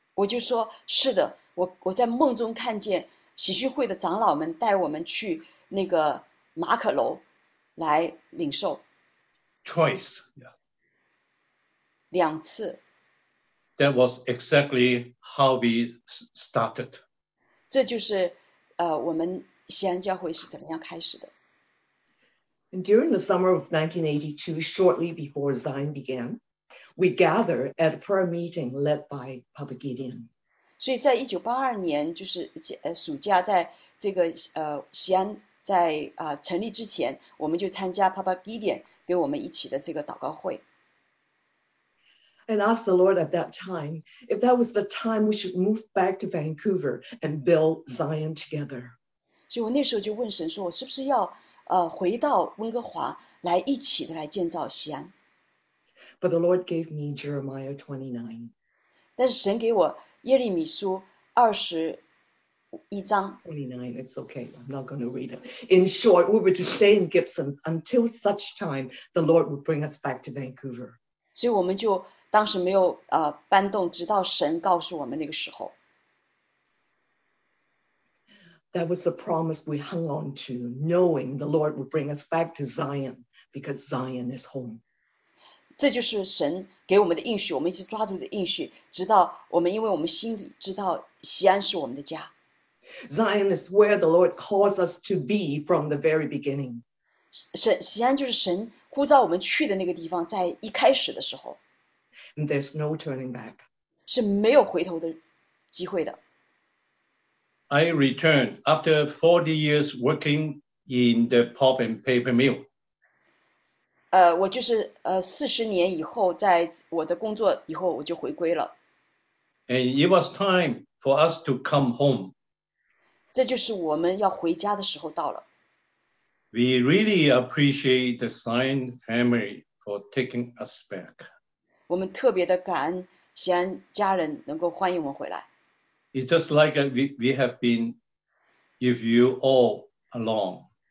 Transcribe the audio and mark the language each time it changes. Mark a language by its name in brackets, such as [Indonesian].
[Chinese] 我就说是的, 我在梦中看见喜讯会的长老们带我们去那个马可楼来领受。 [English] Twice. Yeah. [Chinese] 两次。 [English] That was exactly how we started. [Chinese] 这就是 我们西安教会是怎么样开始的。 [English] And during the summer of 1982, shortly before Zion began, we gathered at a prayer meeting led by Papa Gideon. [Chinese] 所以在1982年就是暑假在这个 西安在成立之前, 我们就参加 Papa Gideon 给我们一起的这个祷告会。 [English] And asked the Lord at that time, if that was the time we should move back to Vancouver and build Zion together. [Chinese] 所以我那时候就问神说,我是不是要 回到温哥华来一起的来建造西安。 [English] But the Lord gave me Jeremiah 29. [Chinese] 但是神给我耶利米书21章。 [English] 29, it's okay, I'm not going to read it. In short, we were to stay in Gibson until such time the Lord would bring us back to Vancouver. [Chinese] 所以我们就当时没有 搬动，直到神告诉我们那个时候。 [English] That was the promise we hung on to, knowing the Lord would bring us back to Zion, because Zion is home. [Chinese] 这就是神给我们的应许，我们一直抓住这应许， 直到我们，因为我们心里知道西安是我们的家。 [English] Zion is where the Lord calls us to be from the very beginning. [Chinese] 西安就是神 呼召我们去的那个地方, 在一开始的时候, [English] and there's no turning back. [Chinese] 是没有回头的机会的。 [English] I returned after 40 years working in the pulp and paper mill. [Chinese] 我就是40年以后，在我的工作以后，我就回归了。 [English] And it was time for us to come home. [Chinese] 这就是我们要回家的时候到了。 [English] We really appreciate the Sign family for taking us back. [Chinese] 我们特别的感恩西安家人能够欢迎我们回来。 [English] It's just like we have been with you all along.